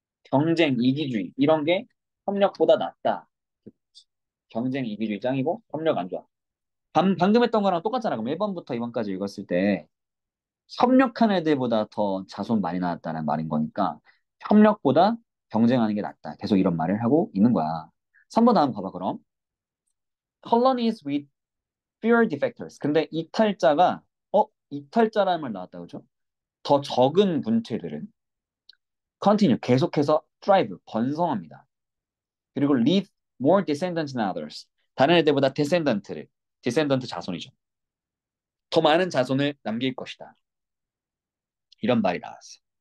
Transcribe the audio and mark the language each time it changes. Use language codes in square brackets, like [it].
[ko] 경쟁, 이기주의. 이런 게 협력보다 낫다. 경쟁, 이기주의 짱이고 협력 안 좋아. 방금 했던 거랑 똑같잖아. 그럼 1번부터 2번까지 읽었을 때 협력한 애들보다 더 자손 많이 낳았다는 말인 거니까 협력보다 경쟁하는 게 낫다. 계속 이런 말을 하고 있는 거야. 3번 다음 봐봐 그럼. [en] Colonies with fewer defectors. [ko] 근데 이탈자가 이탈자라는 말 나왔다 그죠? 더 적은 군체들은 continue 계속해서 thrive 번성합니다. [en] 그리고 leave more descendants than others. [ko] 다른 애들보다 descendant를 디센던트 자손이죠. 더 많은 자손을 남길 것이다. 이런 말이 나왔어.